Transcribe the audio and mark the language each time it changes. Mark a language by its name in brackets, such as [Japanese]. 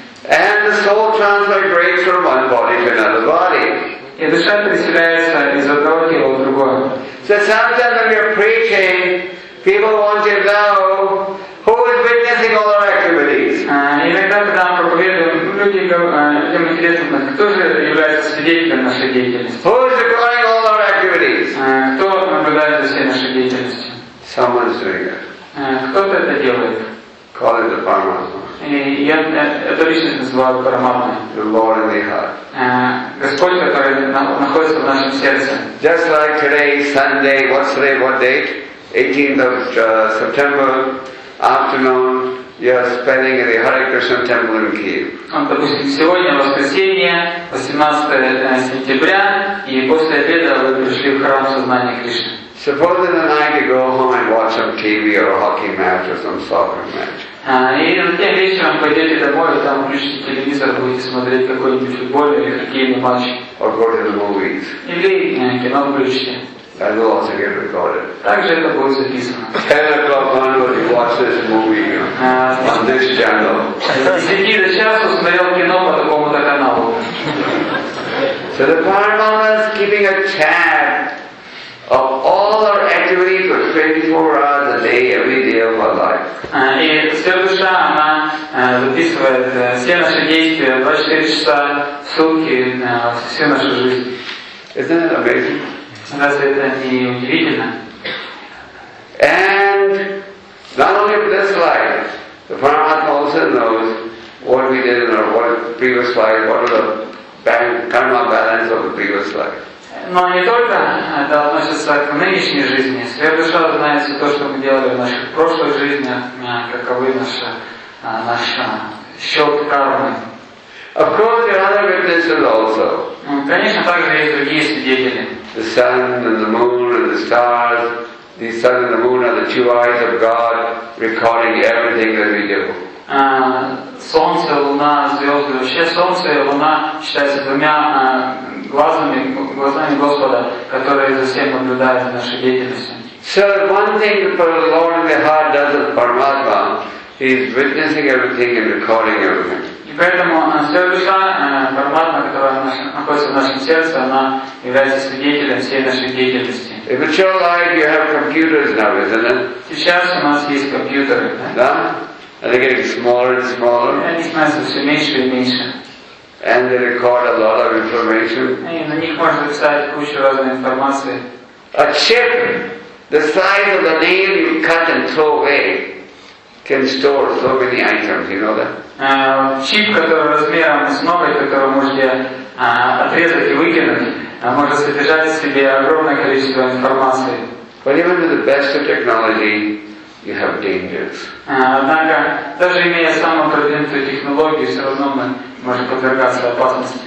[English] And the soul transmigrates from one body to another body. [Russian] И душа переселяется из одного тела в другое. [English] So sometimes when you're preaching, people want to know who is witnessing all our activities. [Russian] Иногда, когда мы проповедуем, людям интересно, кто же является свидетелем нашей деятельности. [English] Who is recording all our activities? [Russian] Кто наблюдает за всей нашей деятельностью? [English] Someone is doing it. [Russian] Кто-то это делает. [English] Call it the Paramatma. [Russian] И я эту личность называю Параматмой. [English] The Lord in the heart. [Russian] Господь, который находится в нашем сердце. [English] Just like today, Sunday, what's today, what date? 18th of September, afternoon, you are spending in the Hare Krishna temple in Kyiv. [Russian] Допустим, сегодня воскресенье, 18 сентября, и после обеда вы пришли в храм сознания Кришны. [English] Suppose in the night you go home and watch some TV or a hockey match or some soccer match. [Russian] И затем вечером пойдете домой, там включите телевизор, будете смотреть какой-нибудь футбольный или хоккейный матч. [English] Or go to the movies. [Russian] Или кино включите. [English] That will also get recorded. [Russian] Также это будет записано. [English] 10 o'clock onward, you watch this movie on this channel. [Russian] Сиди до часу, смотрел кино по такому-то каналу. [English] So the Paramatma is keeping a tab of all our activities for 24 hours a day, every day of our life. [Russian] И вся душа, она записывает все наши действия 24 часа в сутки, всю нашу жизнь. [English] Isn't it amazing? [Russian] Разве это не удивительно? [English] And not only in this life, the Paramatma also knows what we did in our previous life, what was the karma balance of the previous life. [Russian] Но не только это относится к нынешней жизни. Сверхдуша знает все то, что мы делали в наших прошлых жизнях, каковы наш счет кармы. [English] Of course, there are other witnesses also. [Russian] Конечно, также есть другие свидетели. [English] The sun and the moon and the stars. The sun and the moon are the two eyes of God, recording everything that we do. [Russian] Солнце, луна, звезды. Вообще, солнце и луна считаются двумя глазами Господа, которые за всем наблюдают в нашей деятельности. [English] So one thing for the Lord in the heart does with Paramatma, he is witnessing everything and recording everything. [Russian] И поэтому Сердуша, Параматма, которая находится в нашем сердце, она является свидетелем всей нашей деятельности. [English] In virtual life you have computers now, isn't it? [Russian] Сейчас у нас есть компьютеры. Да? [English] Are they getting smaller and smaller? [Russian] Они становятся все меньше и меньше. [English] And they record a lot of information. [Russian] На них можно писать кучу разной информации. [English] A chip The size of the nail you cut and throw away can store so many items, you know that? [Russian] Чип, который размером с ноготь, который вы можете отрезать и выкинуть, может содержать в себе огромное количество информации. [English] But even with the best of technology, you have dangers. [Russian] Однако, даже имея самую продвинутую технологию, все равно мы можем подвергаться опасности.